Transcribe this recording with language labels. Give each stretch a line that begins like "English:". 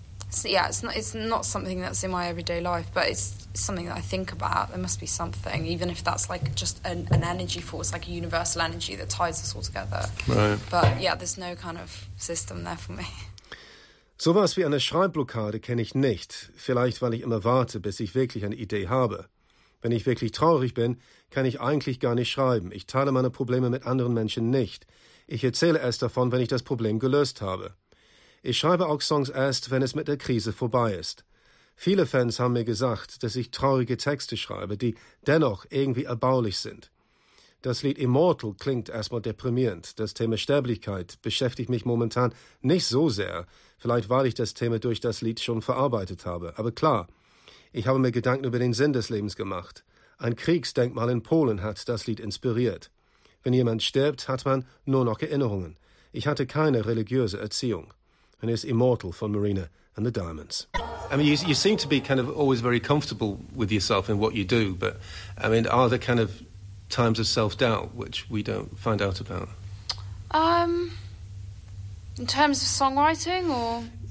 English: So, yeah, it's not something that's in my everyday life, but it's something that I think about. There must be something, even if that's like just an energy force, like a universal energy that ties us all together. Right. But yeah, there's no kind of system there for me.
German: Sowas wie eine Schreibblockade kenne ich nicht. Vielleicht, weil ich immer warte, bis ich wirklich eine Idee habe. Wenn ich wirklich traurig bin, kann ich eigentlich gar nicht schreiben. Ich teile meine Probleme mit anderen Menschen nicht. Ich erzähle erst davon, wenn ich das Problem gelöst habe. Ich schreibe auch Songs erst, wenn es mit der Krise vorbei ist. Viele Fans haben mir gesagt, dass ich traurige Texte schreibe, die dennoch irgendwie erbaulich sind. Das Lied Immortal klingt erstmal deprimierend. Das Thema Sterblichkeit beschäftigt mich momentan nicht so sehr. Vielleicht, weil ich das Thema durch das Lied schon verarbeitet habe. Aber klar, ich habe mir Gedanken über den Sinn des Lebens gemacht. Ein Kriegsdenkmal in Polen hat das Lied inspiriert. Wenn jemand stirbt, hat man nur noch Erinnerungen. Ich hatte keine religiöse Erziehung.
English: And it's Immortal von Marina and the Diamonds. I mean, you seem to be kind of always very comfortable with yourself and what you do, but, I mean, are there kind of times of self-doubt, which we don't find out about? In terms of songwriting, or...?